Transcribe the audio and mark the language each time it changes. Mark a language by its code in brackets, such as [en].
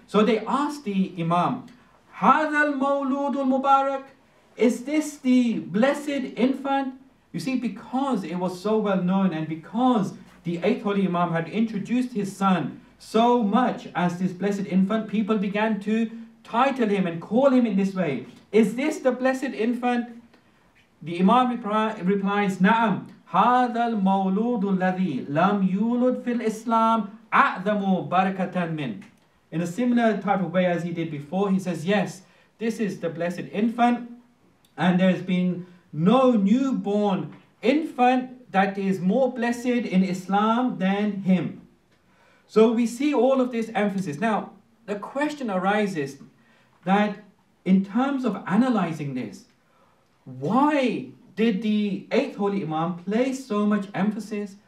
[en] So they asked the Imam, [ar] "Hadha al-Mawlud al-Mubarak, [en] is this the blessed infant?" You see, because it was so well known and because the eighth Holy Imam had introduced his son so much as this blessed infant, people began to title him and call him in this way. "Is this the blessed infant?" The Imam replies, [ar] "Na'am. هذا المولود الذي لم يولد في الإسلام أعظم بركة منه." [en] In a similar type of way as he did before, he says, "Yes, this is the blessed infant, and there has been no newborn infant that is more blessed in Islam than him." So we see all of this emphasis. Now, the question arises that in terms of analyzing this, why did the 8th Holy Imam place so much emphasis?